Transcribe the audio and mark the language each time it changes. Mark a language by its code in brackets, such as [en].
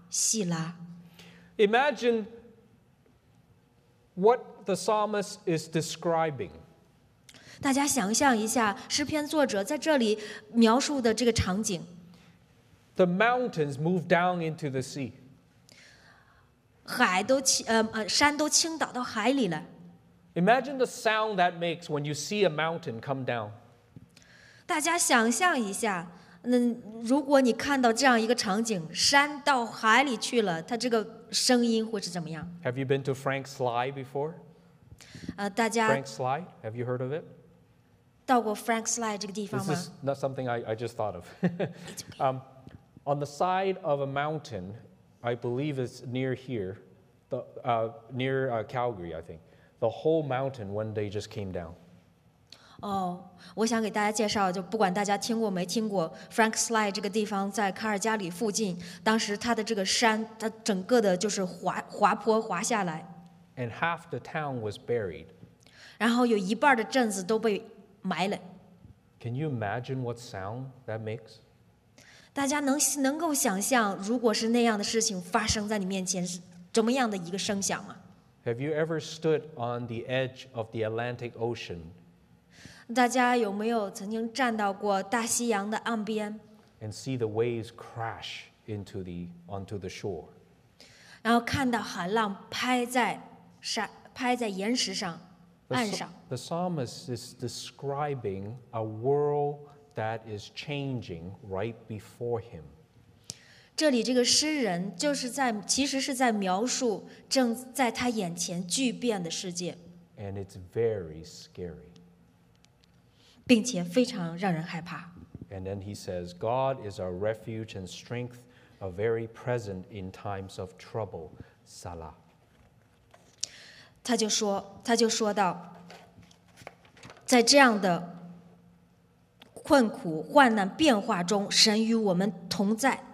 [zh] 希拉。 [en] Imagine what the psalmist is describing. [zh] 大家想象一下，诗篇作者在这里描述的这个场景。 [en] The mountains move down into the sea. [zh] 海都山都倾倒到海里了。 [en] Imagine the sound that makes when you see a mountain come down. [zh] 大家想象一下，如果你看到这样一个场景，山到海里去了，它这个声音会是怎么样 [en] ？Have you been to Frank Sly before? [zh] 大家。 [en] Frank Sly, have you heard of it? [zh] 到过 Frank Sly 这个地方吗 [en] ？This is not something I just thought of. On the side of a mountain, I believe it's near here, near Calgary, I think. The whole mountain one day just came down. [zh] 我想给大家介绍，就不管大家听过没听过 Frank Sly 这个地方，在卡尔加里附近，当时他的这个山，他整个的就是滑坡滑下来。 [en] And half the town was buried. [zh] 然后有一半的镇子都被埋了。 [en] Can you imagine what sound that makes? [zh] 大家能够想象，如果是那样的事情发生在你面前，是怎么样的一个声响吗 [en] ？Have you ever stood on the edge of the Atlantic Ocean? [zh] 大家有没有曾经站到过大西洋的岸边 [en] ？And see the waves crash into the onto the shore. [zh] 然后看到海浪拍在岩石上。 [en] The psalmist is describing a world that is changing right before him. [zh] 这里这个诗人就是在其实是在描述正在他眼前巨变的世界。 [en] And it's very scary. [zh] 并且非常让人害怕。 [en] And then he says, "God is our refuge and strength, a very present in times of trouble." Salah. [zh] 他就说到，在这样的困苦、患难、变化中，神与我们同在。